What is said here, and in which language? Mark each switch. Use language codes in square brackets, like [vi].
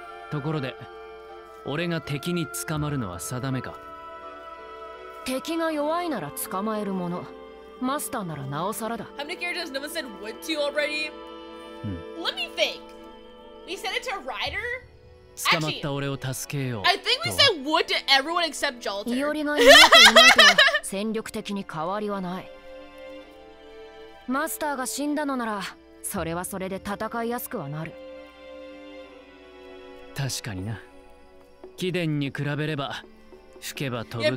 [ja] ところで、俺が敵に捕まるのは定めか。敵が弱いなら捕まえるもの。マスターならなおさらだ。 [en] How many characters have said would to already? Let me think. We said it to Ryder? [ja] 捕まった俺を助けよう。 [en] I think we said would to everyone except Jalter. [ja] イオリがいないといないと戦力的に変わりはない。マスターが死んだのなら、それはそれで戦いやすくはなる。確かにな。貴殿に比べれば、吹けば飛ぶ